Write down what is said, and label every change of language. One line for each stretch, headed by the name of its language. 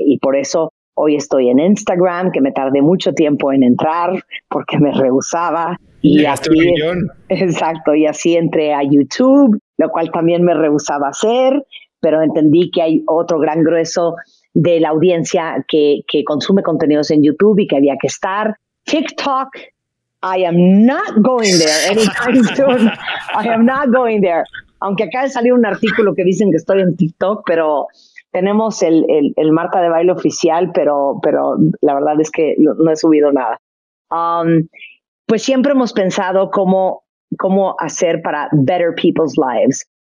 Spanish: Y por eso hoy estoy en Instagram, que me tardé mucho tiempo en entrar porque me rehusaba. Y hasta un millón. Exacto. Y así entré a YouTube, lo cual también me rehusaba hacer, pero entendí que hay otro gran grueso de la audiencia que consume contenidos en YouTube y que había que estar.
English: TikTok, I am not going there anytime soon. I am not going there.
Spanish: Aunque acaba de salir un artículo que dicen que estoy en TikTok, pero tenemos el Marta de Baile oficial, pero la verdad es que no he subido nada. Pues siempre hemos pensado cómo hacer para better people's lives.